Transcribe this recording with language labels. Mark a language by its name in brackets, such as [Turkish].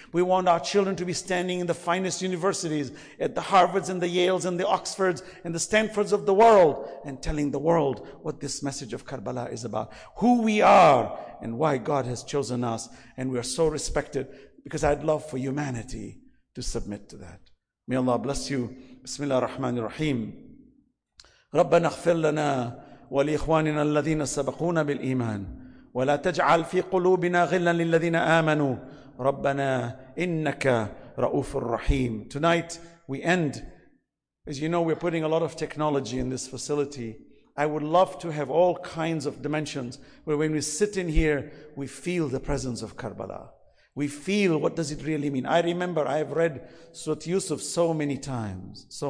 [English] We want our children to be standing in the finest universities, at the Harvards and the Yales and the Oxfords and the Stanfords of the world, and telling the world what this message of Karbala is about, who we are and why God has chosen us. And we are so respected because I'd love for humanity to submit to that. May Allah bless you. [Arabic] بسم الله الرحمن الرحيم. ربنا اغفر لنا ولإخواننا الذين سبقونا بالإيمان ولا تجعل في قلوبنا غلا للذين آمنوا ربنا إنك رؤوف الرحيم. [English] Tonight we end. As you know, we're putting a lot of technology in this facility. I would love to have all kinds of dimensions where when we sit in here, we feel the presence of Karbala. We feel, what does it really mean? I remember, I have read Surat Yusuf so many times.